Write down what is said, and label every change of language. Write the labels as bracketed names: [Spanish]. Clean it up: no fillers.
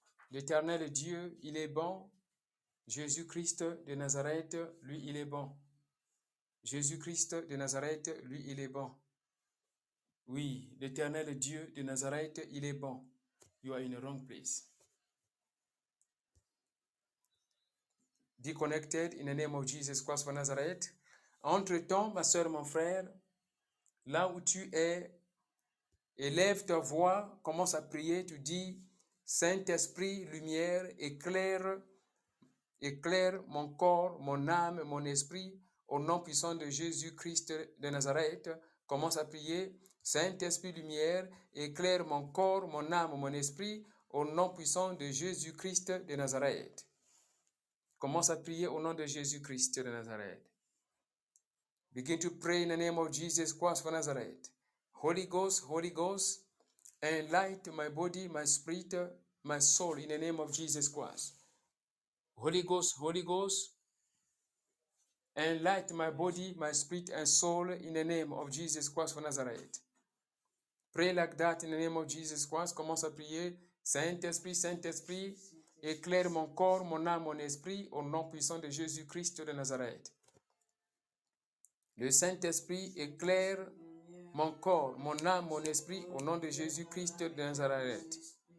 [French] L'Éternel Dieu, il est bon. Jésus-Christ de Nazareth, lui, il est bon. Jésus-Christ de Nazareth, lui, il est bon. Oui, l'Éternel Dieu de Nazareth, il est bon. [English] You are in the wrong place. Deconnected in the name of Jesus Christ of Nazareth. [French] Entre-temps, ma soeur, mon frère, là où tu es, élève ta voix, commence à prier, tu dis, Saint-Esprit, lumière, éclaire, éclaire mon corps, mon âme, mon esprit, au nom puissant de Jésus-Christ de Nazareth. Commence à prier, Saint-Esprit, lumière, éclaire mon corps, mon âme, mon esprit, au nom puissant de Jésus-Christ de Nazareth. Commence à prier au nom de Jésus-Christ de Nazareth. [English] Begin to pray in the name of Jesus Christ of Nazareth. Holy Ghost, enlighten my body, my spirit, my soul in the name of Jesus Christ. Holy Ghost, enlighten my body, my spirit and soul in the name of Jesus Christ of Nazareth. Pray like that in the name of Jesus Christ. [French] Commence à prier, Saint-Esprit, Saint-Esprit, éclaire mon corps, mon âme, mon esprit, au nom puissant de Jésus-Christ de Nazareth. Le Saint-Esprit éclaire mon corps, mon âme, mon esprit, au nom de Jésus-Christ de Nazareth.